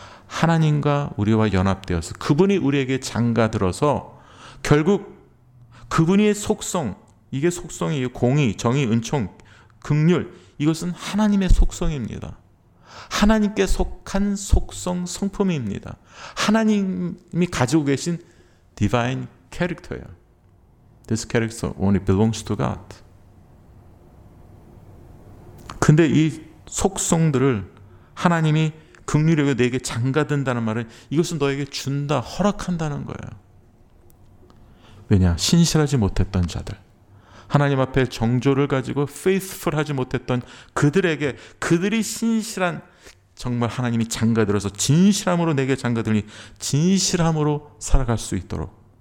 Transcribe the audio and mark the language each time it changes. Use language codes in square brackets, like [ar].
[ko] 하나님과 우리와 연합되어서 그분이 우리에게 장가들어서 결국 그분의 속성, 이게 속성이에요. 공의, 정의, 은총, 긍휼, 이것은 하나님의 속성입니다. 하나님께 속한 속성, 성품입니다. 하나님이 가지고 계신 divine character예요. [en] This character only belongs to God. [ko] 근데 이 속성들을 하나님이 긍휼에게 내게 장가든다는 말은 이것은 너에게 준다, 허락한다는 거예요. 왜냐? 신실하지 못했던 자들, 하나님 앞에 정조를 가지고 faithful하지 못했던 그들에게 그들이 신실한 정말 하나님이 장가들어서 진실함으로 내게 장가들니 진실함으로 살아갈 수 있도록.